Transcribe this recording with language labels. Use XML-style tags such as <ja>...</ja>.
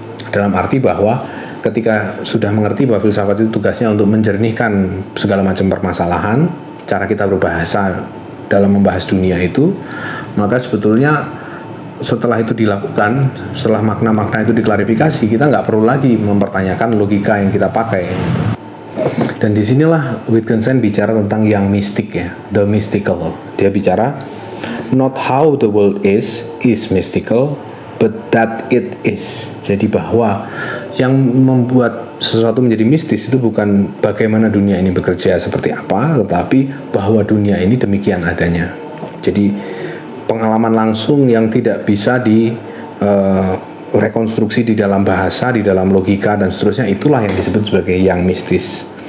<id>Dalam arti bahwa ketika sudah mengerti bahwa filsafat itu tugasnya untuk menjernihkan segala macam permasalahan, cara kita berbahasa dalam membahas dunia itu, maka sebetulnya setelah itu dilakukan, setelah makna-makna itu diklarifikasi, kita nggak perlu lagi mempertanyakan logika yang kita pakai. Dan disinilah Wittgenstein bicara tentang yang mistik, ya, the mystical. Dia bicara,</id> <en>not how the world is mystical, but that it is.</en> <id>Jadi bahwa yang membuat sesuatu menjadi mistis itu bukan bagaimana dunia ini bekerja seperti apa, tetapi bahwa dunia ini demikian adanya. Jadi pengalaman langsung yang tidak bisa direkonstruksi di dalam bahasa, di dalam logika, dan seterusnya, itulah yang disebut sebagai yang mistis.</id>